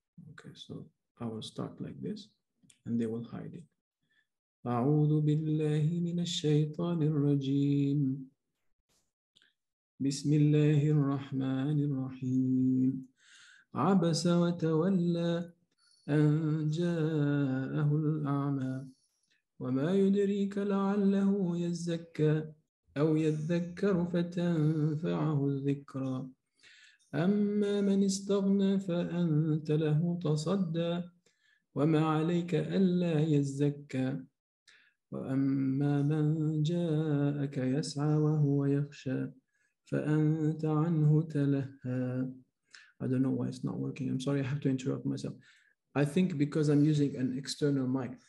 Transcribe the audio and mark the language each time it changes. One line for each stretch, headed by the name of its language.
English: Okay, so I will start like this and they will hide it.
Arabic: أعوذ بالله من الشيطان الرجيم بسم الله الرحمن الرحيم عبس وتولى أن جاءه الأعمى وما يدريك لعله يزكى أو يذكر فتنفعه الذكرى أما من استغنى فأنت له تصدى وما عليك ألا يزكى وأما من جاءك يسعى وهو يخشى فأنت عنه تلهى.
English: I don't know why it's not working. I'm sorry, I have to interrupt myself. I think because I'm using an external mic.